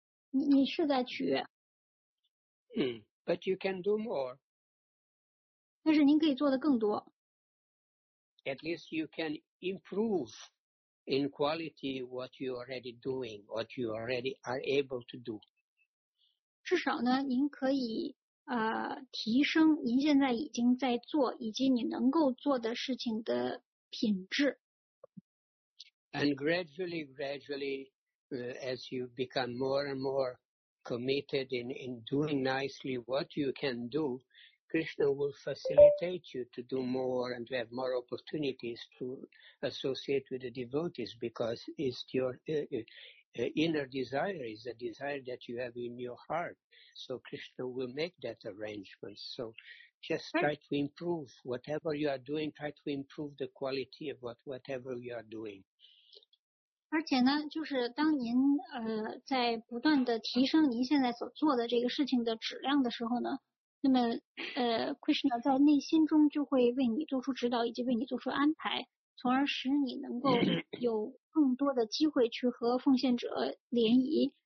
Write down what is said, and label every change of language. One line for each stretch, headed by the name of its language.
Chinese: 你是在取悦。
English: But you can do more.
Chinese: 但是您可以做得更多。
English: At least you can improve in quality what you already doing, what you already are able to do.
Chinese: 至少呢，您可以提升您现在已经在做以及你能够做的事情的品质。
English: And gradually, as you become more and more committed in doing nicely what you can do, Krishna will facilitate you to do more and to have more opportunities to associate with the devotees, because it's your inner desire, is a desire that you have in your heart. So Krishna will make that arrangement. So just try to improve whatever you are doing, try to improve the quality of whatever you are doing.
Chinese: 而且呢，就是当您在不断的提升您现在所做的这个事情的质量的时候呢，那么Krishna 在内心中就会为你做出指导以及为你做出安排，从而使你能够有更多的机会去和奉献者联谊。